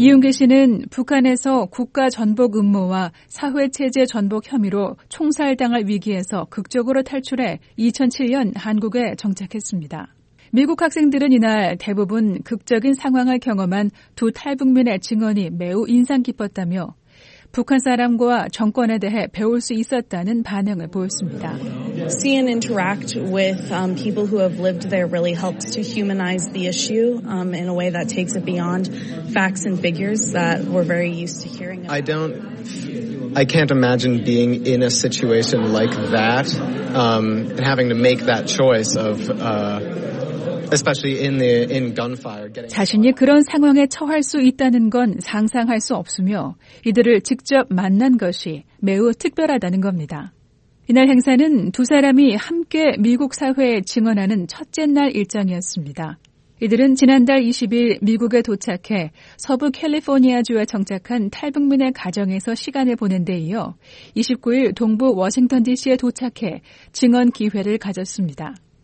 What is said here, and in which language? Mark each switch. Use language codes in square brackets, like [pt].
[ko] 이웅기 씨는 북한에서 국가 전복 음모와 사회 체제 전복 혐의로 총살당할 위기에서 극적으로 탈출해 2007년 한국에 정착했습니다. 미국 학생들은 이날 대부분 극적인 상황을 경험한 두 탈북민의 증언이 매우 인상 깊었다며 북한 사람과 정권에 대해 배울 수 있었다는 반응을 보였습니다. [en] See and interact with people who have lived there really helps to humanize the issue in a way that takes it beyond facts and figures that we're very used to hearing. I can't imagine being in a situation like that and having to make that choice of especially in gunfire. [ko] 자신이 그런 상황에 처할 수 있다는 건 상상할 수 없으며 이들을 직접 만난 것이 매우 특별하다는 겁니다. 이날 행사는 두 사람이 함께 미국 사회에 증언하는 첫째 날 일정이었습니다. 이들은 지난달 20일 미국에 도착해 서부 캘리포니아주에 정착한 탈북민의 가정에서 시간을 보낸 데 이어 29일 동부 워싱턴 DC에 도착해 증언 기회를 가졌습니다.